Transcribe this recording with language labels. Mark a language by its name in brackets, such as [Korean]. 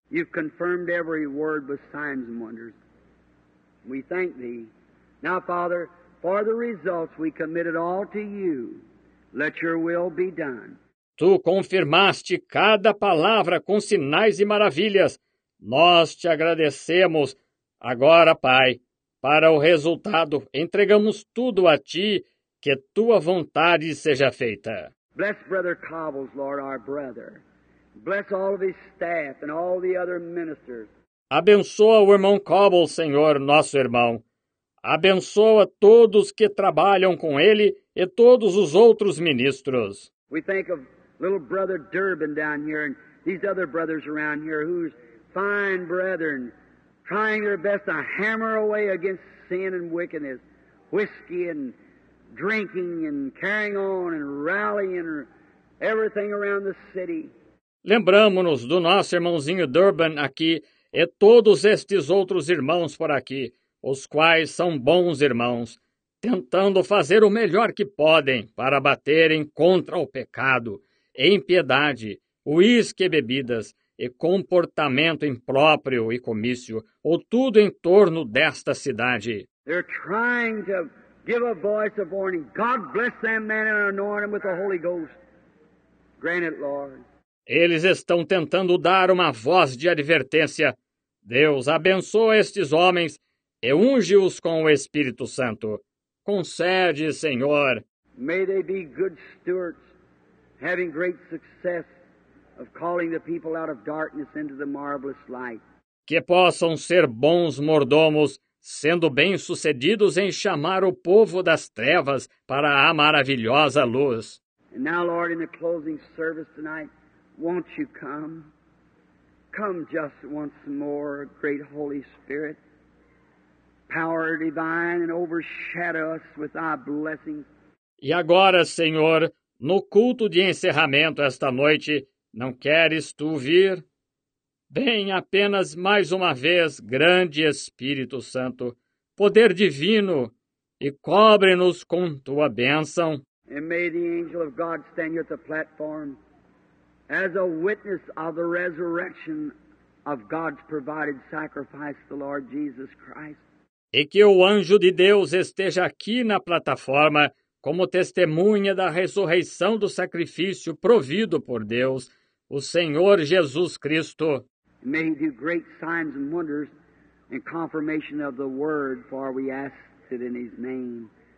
[English] You've confirmed every word with signs and wonders. We thank thee. Now, Father, for the results we commit it all to you. Let your will be done. [Portuguese] Tu confirmaste cada palavra com sinais e maravilhas. Nós te agradecemos. Agora, Pai, para o resultado, entregamos tudo a ti, que tua vontade seja feita. [English] Bless Brother Cobbles, Lord, our brother. Bless all of his staff and all the other ministers. [Portuguese] Abençoa o irmão Cobble, Senhor, nosso irmão. Abençoa todos que trabalham com ele e todos os outros ministros. [English] We think of little brother Durbin down here and these other brothers around here who's fine brethren trying their best to hammer away against sin and wickedness, whiskey and drinking and carrying on and rallying and everything around the city. [Portuguese] Lembramos-nos do nosso irmãozinho Durbin aqui e todos estes outros irmãos por aqui, os quais são bons irmãos, tentando fazer o melhor que podem para baterem contra o pecado, impiedade, uísque e bebidas e comportamento impróprio e comício, ou tudo em torno desta cidade. [English] They're trying to give a voice of warning. God bless them, man, and anoint them with the Holy Ghost. Grant it, Lord. [Portuguese] Eles estão tentando dar uma voz de advertência. Deus, abençoa estes homens e unge-os com o Espírito Santo. Concede, Senhor. [English] May they be good stewards, having great success of calling the people out of darkness into the marvelous light. [Portuguese] Que possam ser bons mordomos, sendo bem-sucedidos em chamar o povo das trevas para a maravilhosa luz. [English] And now, Lord, in the closing service tonight, won't you come? Come just once more, great Holy Spirit, power divine, and overshadow us with thy blessing. [Portuguese] E agora, Senhor, no culto de encerramento esta noite, não queres tu vir? Bem, apenas mais uma vez, grande Espírito Santo, poder divino, e cobre-nos com tua bênção. [English] And may the angel of God stand at the platform as a witness of the resurrection of God's provided sacrifice, the Lord Jesus Christ. [Portuguese] E que o anjo de Deus esteja aqui na plataforma como testemunha da ressurreição do sacrifício provido por Deus, o Senhor Jesus Cristo. [English] May he do great signs and wonders in confirmation of the word, for we ask it in his name.